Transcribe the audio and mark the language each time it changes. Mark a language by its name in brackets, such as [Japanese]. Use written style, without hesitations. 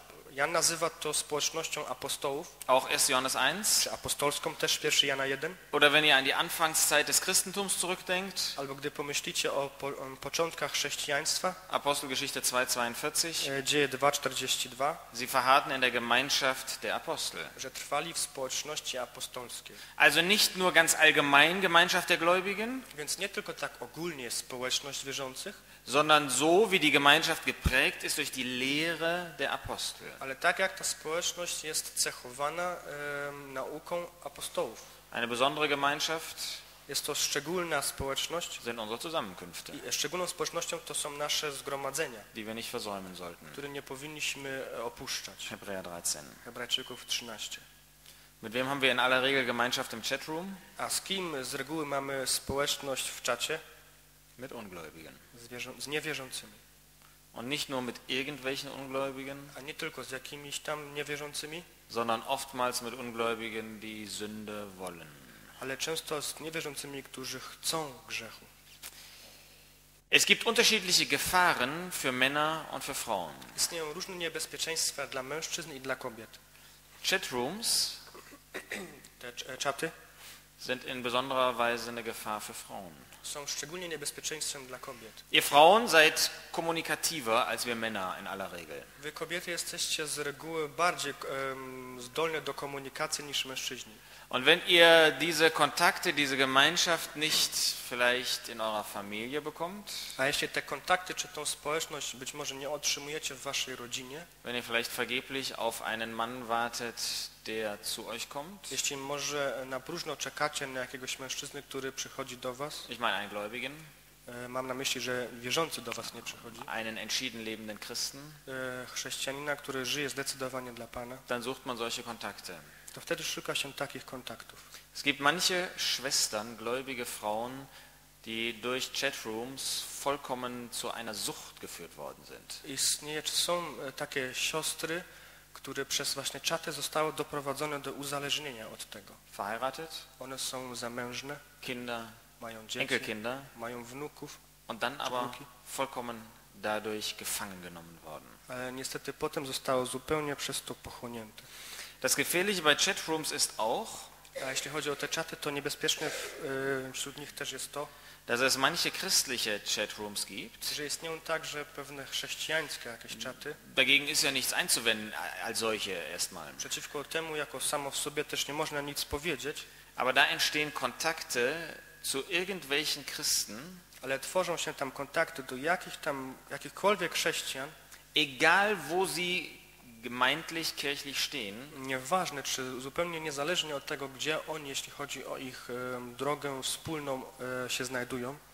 [Polish] Jan nazywa to społecznością apostołów. [German] Auch 1. Johannes 1. [Polish] Czy apostolską też 1. Jana 1. [German] Oder wenn ihr an die Anfangszeit des Christentums zurückdenkt. [Polish] Albo gdy pomyślicie o początkach chrześcijaństwa. [German] Apostelgeschichte 2:42. [Polish] Dzieje 2:42. [German] Sie verharrten in der Gemeinschaft der Apostel. [Polish] Że trwali w społeczności apostolskiej. [German] Also nicht nur ganz allgemein Gemeinschaft der Gläubigen. [Polish] Więc nie tylko tak ogólnie społeczność wierzących. [German] Sondern so, wie die Gemeinschaft geprägt ist durch die Lehre der Apostel. [Polish] Ale tak jak ta społeczność jest cechowana nauką apostołów. [German] Eine besondere Gemeinschaft. [Polish] Jest to szczególna społeczność. [German] Sind unsere Zusammenkünfte. [Polish] Szczególną społecznością to są nasze zgromadzenia. [German] Die wir nicht versäumen sollten. [Polish] Które nie powinniśmy opuszczać. [German] Hebräer 13. [Polish] Hebrajczyków 13. [German] Mit wem haben wir in aller Regel Gemeinschaft im Chatroom? [Polish] A z kim z reguły mamy społeczność w czacie? [German] Mit Ungläubigen. [Polish] Z niewierzącymi. [German] Und nicht nur mit irgendwelchen Ungläubigen. [Polish] A nie tylko z jakimiś tam niewierzącymi. [German] Sondern oftmals mit Ungläubigen, die Sünde wollen. [Polish] ale często z niewierzącymi, którzy chcą grzechu. [German] Es gibt unterschiedliche Gefahren für Männer und für Frauen. [Polish] Istnieją różne niebezpieczeństwa dla mężczyzn i dla kobiet. [German] Chatrooms sind in besonderer Weise eine Gefahr für Frauen. [Polish] Są szczególnie niebezpieczeństwem dla kobiet. [German] Ihr Frauen seid kommunikativer als wir Männer in aller Regel. [Polish] Wy kobiety jesteście z reguły bardziej zdolne do komunikacji niż mężczyźni. [German] Und wenn ihr diese Kontakte, diese Gemeinschaft nicht vielleicht in eurer Familie bekommt, [Polish] a jeśli te kontakty czy tą społeczność być może nie otrzymujecie w waszej rodzinie, [German] wenn ihr vielleicht vergeblich auf einen Mann wartet, der zu euch kommt, [Polish] jeśli może na próżno czekacie na jakiegoś mężczyzny, który przychodzi do was, [German] ich meine einen Gläubigen, [Polish] mam na myśli, że wierzący do was nie przychodzi, [German] einen entschieden lebenden Christen, [Polish] chrześcijanina, który żyje zdecydowanie dla Pana, [German] dann sucht man solche Kontakte. [Polish] To wtedy szuka się takich kontaktów. [German] Es gibt manche Schwestern, gläubige Frauen, die durch Chatrooms vollkommen zu einer Sucht geführt worden sind. [Polish] Istnieje, czy są takie siostry, które przez właśnie czaty zostały doprowadzone do uzależnienia od tego. [German] Verheiratet. [Polish] One są zamężne. [German] Kinder. [Polish] Mają dzieci. [German] Enkelkinder. [Polish] Mają wnuków. [German] Und dann aber vollkommen dadurch gefangen genommen worden. [Polish] Ale niestety potem zostało zupełnie przez to pochłonięte. [German] Das Gefährliche bei Chatrooms ist auch, [Polish] a jeśli chodzi o te czaty, to niebezpieczne wśród nich też jest to, [German] dass es manche christliche Chatrooms gibt. [Polish] Że istnieją także pewne chrześcijańskie jakieś czaty. [German] Dagegen ist ja nichts einzuwenden als solche erstmal. [Polish] Przeciwko temu jako samo w sobie też nie można nic powiedzieć. [German] Aber da entstehen Kontakte zu irgendwelchen Christen. [Polish] Ale tworzą się tam kontakte do jakich tam jakichkolwiek chrześcijan. [German] Egal wo sie gemeintlich kirchlich stehen. [Polish] Nieważne, czy zupełnie niezależnie od tego, gdzie oni, jeśli chodzi o ich drogę wspólną, się znajdują.